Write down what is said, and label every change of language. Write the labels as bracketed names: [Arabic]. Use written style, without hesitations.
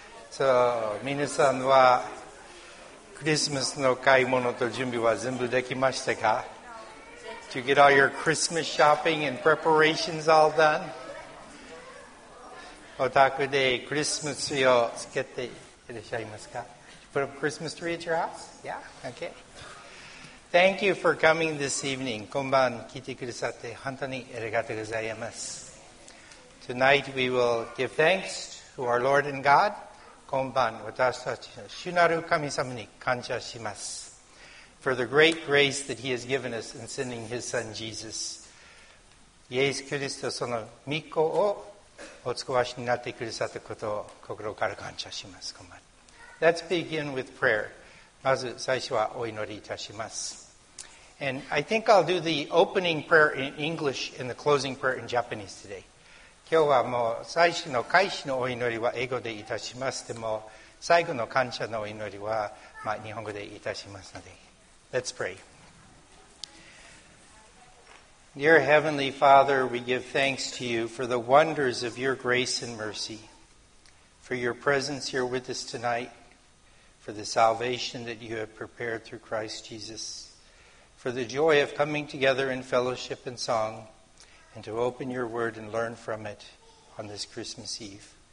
[Japanese] そう、皆さんはクリスマスの買い物と準備は全部できましたか？ [English] Did you get all your Christmas shopping and preparations all done? [Japanese] お宅でクリスマスツリーをつけていらっしゃいますか？ [English] Did you put up a Christmas tree at your house? Yeah? Okay. Thank you for coming this evening. [Japanese] こんばん、聞いてくださって本当にありがとうございます。 [English] Tonight we will give thanks to our Lord and God. [Japanese] こんばん、私たちの主なる神様に感謝します。 [English] For the great grace that He has given us in sending His Son Jesus. [Japanese] イエス・キリストその御子をお使わしになってくださったことを心から感謝します。こんばん。 [English] Let's begin with prayer. [Japanese] まず最初はお祈りいたします。 [English] And I think I'll do the opening prayer in English and the closing prayer in Japanese today. [Japanese] 今日はもう最初の開始のお祈りは英語でいたします。でも最後の感謝のお祈りは、まあ、日本語でいたしますので。 [English] Let's pray. Dear Heavenly Father, we give thanks to you for the wonders of your grace and mercy, for your presence here with us tonight. For the salvation that you have prepared through Christ Jesus, for the joy of coming together in fellowship and song, and to open your word and learn from it on this Christmas Eve.